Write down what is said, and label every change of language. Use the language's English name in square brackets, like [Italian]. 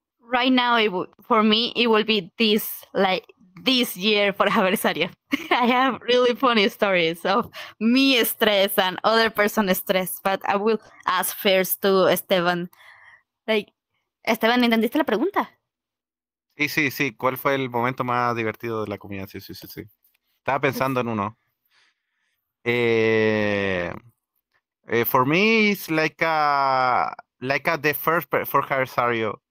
[English] Right now, for me, it will be this, like, this year for Javerisario. I have really funny stories of me stress and other person stress, but I will ask first to Esteban. Like, [Spanish] Esteban, ¿entendiste la pregunta? Sí, sí, sí. ¿Cuál fue el momento más divertido de la comunidad? Sí, sí, sí, sí. Estaba pensando en uno. [English] For me, it's like the first for Javerisario.